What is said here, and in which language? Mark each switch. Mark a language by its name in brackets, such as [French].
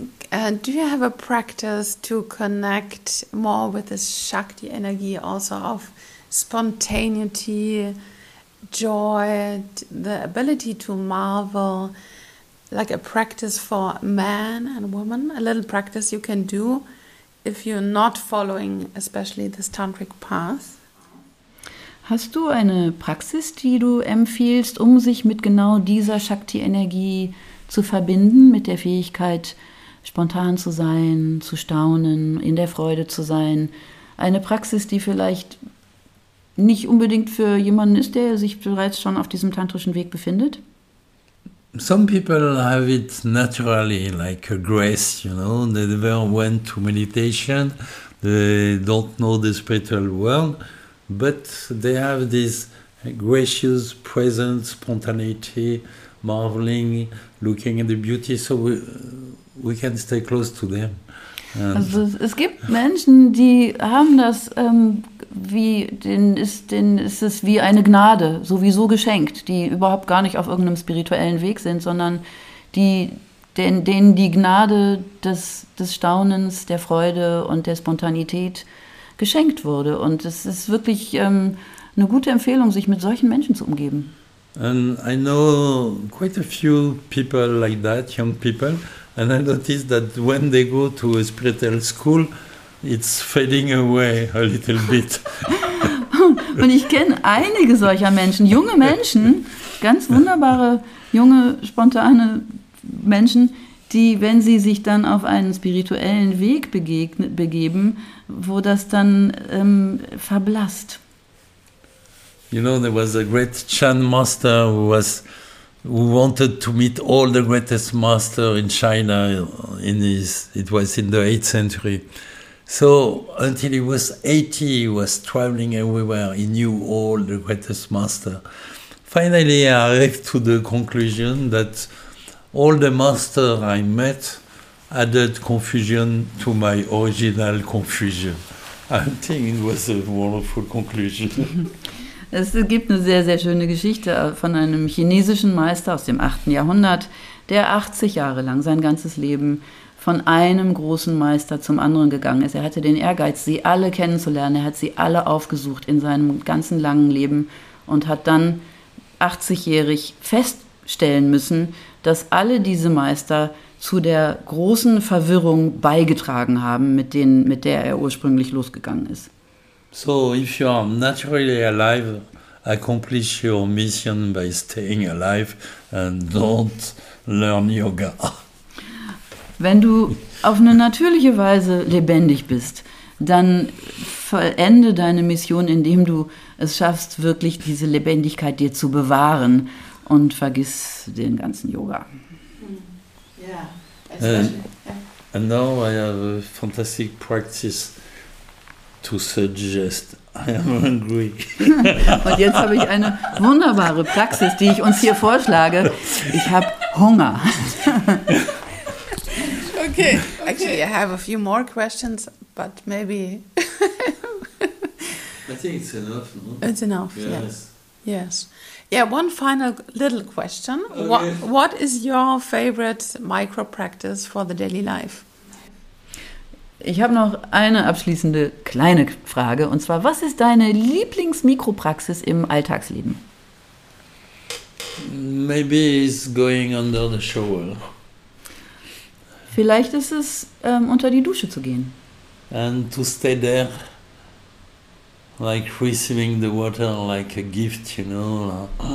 [English] And do you have a practice to connect more with this Shakti energy also of spontaneity, joy, the ability to marvel, like a practice for man and woman, a little practice you can do if you're not following especially this tantric path? [German] Hast du eine Praxis, die du empfiehlst, um sich mit genau dieser Shakti-Energie zu verbinden, mit der Fähigkeit, spontan zu sein, zu staunen, in der Freude zu sein? Eine Praxis, die vielleicht nicht unbedingt für jemanden ist, der sich bereits schon auf diesem tantrischen Weg befindet? [English] Some people have it naturally, like a grace, you know, they never went to meditation, they don't know the spiritual world, but they have this gracious presence, spontaneity, marveling, looking at the beauty, so we can stay close to them. [German] Also es gibt Menschen, die haben das, wie denen ist es wie eine Gnade, sowieso geschenkt, die überhaupt gar nicht auf irgendeinem spirituellen Weg sind, sondern die, denen die Gnade des Staunens, der Freude und der Spontanität geschenkt wurde. Und es ist wirklich eine gute Empfehlung, sich mit solchen Menschen zu umgeben. [English] And I know quite a few people like that, young people. And I noticed that when they go to a spiritual school, it's fading away a little bit. [German] Und ich kenne einige solcher Menschen, junge Menschen, ganz wunderbare, junge, spontane Menschen, die, wenn sie sich dann auf einen spirituellen Weg begeben, wo das dann verblasst. [English] You know, there was a great Chan master who wanted to meet all the greatest master in China, it was in the 8th century. So until he was 80, he was traveling everywhere, he knew all the greatest master. Finally, I arrived to the conclusion that all the master I met added confusion to my original confusion. I think it was a wonderful conclusion. [German] Es gibt eine sehr, sehr schöne Geschichte von einem chinesischen Meister aus dem 8. Jahrhundert, der 80 Jahre lang sein ganzes Leben von einem großen Meister zum anderen gegangen ist. Er hatte den Ehrgeiz, sie alle kennenzulernen. Er hat sie alle aufgesucht in seinem ganzen langen Leben und hat dann 80-jährig feststellen müssen, dass alle diese Meister zu der großen Verwirrung beigetragen haben, mit der er ursprünglich losgegangen ist. [English] So if you are naturally alive, accomplish your mission by staying alive and don't learn yoga. [German] Wenn du auf eine natürliche Weise lebendig bist, dann vollende deine Mission, indem du es schaffst, wirklich diese Lebendigkeit dir zu bewahren, und vergiss den ganzen Yoga. [English] Yeah. And now I have a fantastic practice to suggest. I am hungry. [German] Und jetzt habe ich eine wunderbare Praxis, die ich uns hier vorschlage. Ich habe Hunger. [English] Okay. Actually, I have a few more questions, but maybe... I think it's enough, no? It's enough, yes. Yes. Yeah, one final little question. Okay. What is your favorite micro practice for the daily life? [German] Ich habe noch eine abschließende kleine Frage, und zwar, was ist deine Lieblingsmikropraxis im Alltagsleben? [English] Maybe it's going under the shower. [German] Vielleicht ist es, unter die Dusche zu gehen. [English] And to stay there, like receiving the water like a gift, you know.